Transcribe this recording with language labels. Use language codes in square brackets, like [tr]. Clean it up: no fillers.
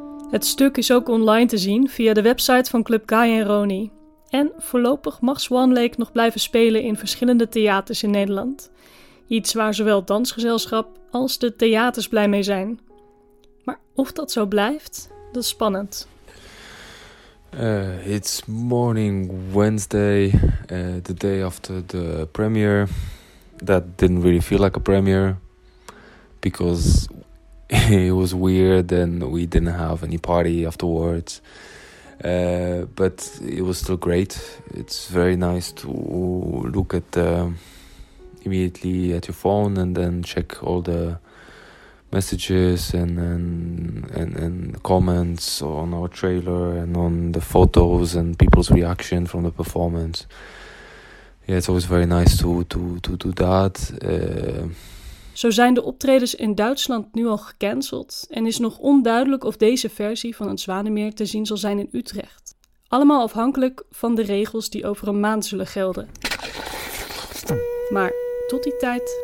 [nl] Het stuk is ook online te zien via de website van Club Guy en Roni. En voorlopig mag Swan Lake nog blijven spelen in verschillende theaters in Nederland. Iets waar zowel het dansgezelschap als de theaters blij mee zijn. Maar of dat zo blijft, dat is spannend. [en] It's morning Wednesday, the day after the premiere. That didn't really feel like a premiere. Because it was weird and we didn't have any party afterwards. But it was still great. It's very nice to look at immediately at your phone and then check all the messages and comments on our trailer and on the photos and people's reaction from the performance. Yeah, it's always very nice to do that. [nl] Zo zijn de optredens in Duitsland nu al gecanceld en is nog onduidelijk of deze versie van het Zwanemeer te zien zal zijn in Utrecht. Allemaal afhankelijk van de regels die over een maand zullen gelden. Maar tot die tijd.